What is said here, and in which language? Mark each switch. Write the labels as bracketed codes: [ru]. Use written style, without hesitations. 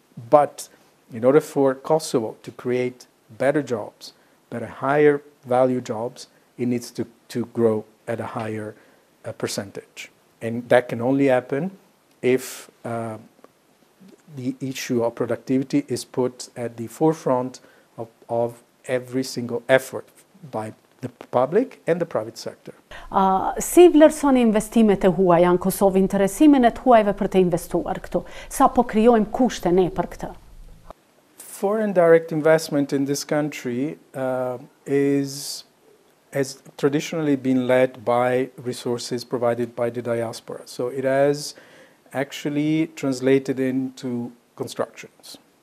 [en] But in order for Kosovo to create better jobs, better higher value jobs, it needs to grow at a higher percentage. And that can only happen if the issue of productivity is put at the forefront of every single effort by the public and the private sector. [sq] Si vlerësoni investimet e huaja në Kosovë, interesimin e të huajve për të investuar këtu? Sa po krijojmë kushte ne për këtë? [en] Foreign direct investment in this country has traditionally been led by resources provided by the diaspora. So it has actually translated into constructions.